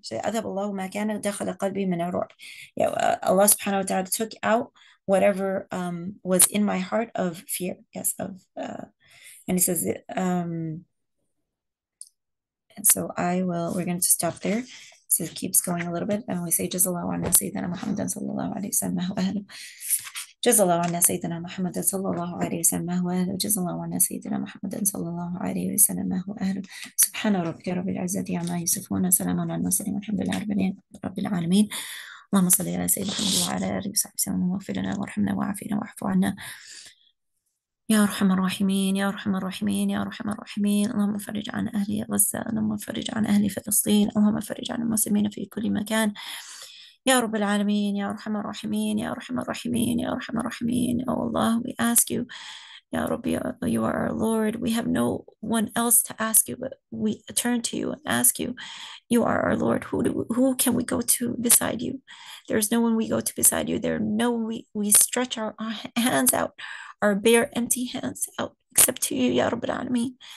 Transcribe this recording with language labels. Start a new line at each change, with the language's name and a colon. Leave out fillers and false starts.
English: She says,
Arabic: أذهب الله ما كان دخل قلبي من الرعب.
English: Allah subhanahu wa ta'ala took out whatever was in my heart of fear. Yes, of and he says, and so I will, we're going to stop there. So it keeps going a little bit. And we say,
Arabic: جزالله عنا سيدنا محمد صلى الله عليه وسلم وأهله. جزالله عنا سيدنا محمد صلى الله عليه وسلم وأهله. جزالله عنا سيدنا محمد صلى الله عليه وسلم وأهله. سبحان ربك رب العزة عما يصفون. سلام على المرسلين. الحمد لله رب العالمين. اللهم صل على سيدنا محمد وعلى آله وصحبه وسلم. واغفر لنا وارحمنا وعافينا واعف عنا. يا أرحم الراحمين يا أرحم الراحمين يا أرحم الراحمين. اللهم فرج عن أهل غزة، اللهم فرج عن أهل فلسطين، اللهم فرج عن المسلمين في كل مكان. يا رب العالمين يا أرحم الراحمين يا أرحم الراحمين يا أرحم الراحمين.
English: Oh Allah, we ask you,
Arabic: يا رب,
English: you are our Lord. We have no one else to ask you, but we turn to you and ask you. You are our Lord. Who can we go to beside you? There is no one we go to beside you. There are no one we stretch our hands out, our bare empty hands out, except to you, Ya Rabbi Al-Alamin.